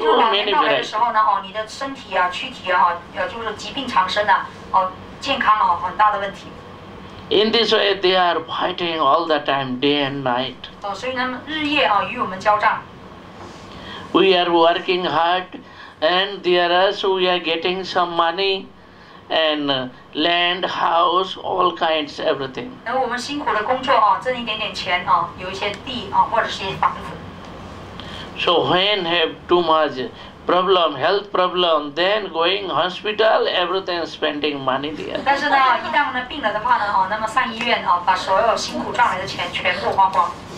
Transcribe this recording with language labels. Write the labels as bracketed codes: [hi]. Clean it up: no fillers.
[zh] 也就是老年到来的时候呢，你的身体、躯体就是疾病缠身了，健康很大的问题。 [en] In this way, they are fighting all the time, day and night. [zh] 所以呢，日夜与我们交战。 [en] We are working hard, and there us, we are getting some money. And land, house, all kinds, everything. [zh] 那我们辛苦的工作，挣一点点钱，有一些地，或者是一些房子。 [en] So when have too much problem, health problem, then going hospital, everything spending money there. [zh] 但是呢，一旦病了的话，上医院，把所有辛苦赚来的钱全部花光。